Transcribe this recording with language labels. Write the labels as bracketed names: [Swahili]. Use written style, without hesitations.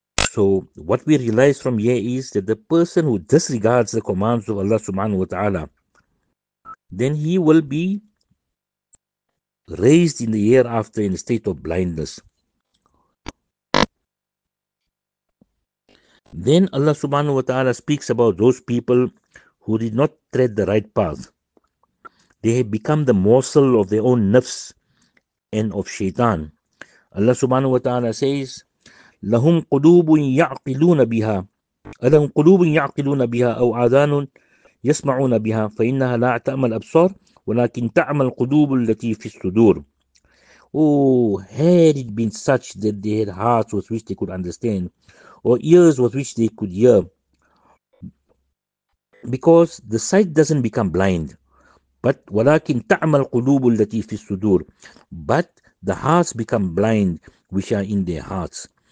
[English] So what we realize from here is that the person who disregards the commands of Allah subhanahu wa ta'ala, then he will be raised in the year after in a state of blindness. Then Allah subhanahu wa ta'ala speaks about those people who did not tread the right path. They have become the morsel of their own nafs and of shaitan. [Arabic] Allah subhanahu wa ta'ala says, لَهُمْ قُلُوبٌ يَعْقِلُونَ بِهَا أَلَهُمْ قُلُوبٌ يَعْقِلُونَ بِهَا أَوْ آذَانٌ يَسْمَعُونَ بِهَا فَإِنَّهَا لَا تَعْمَ الْأَبْصَارِ وَلَكِنْ تَعْمَ الْقُلُوبُ الَّتِي فِي الصُّدُورِ. [English] Oh, had it been such that they had hearts with which they could understand, or ears with which they could hear. Because the sight doesn't become blind, but [Arabic] وَلَكِنْ تَعْمَ الْقُلُوبُ الَّتِي فِي الصُّدُورِ, [English] but the hearts become blind which are in their hearts.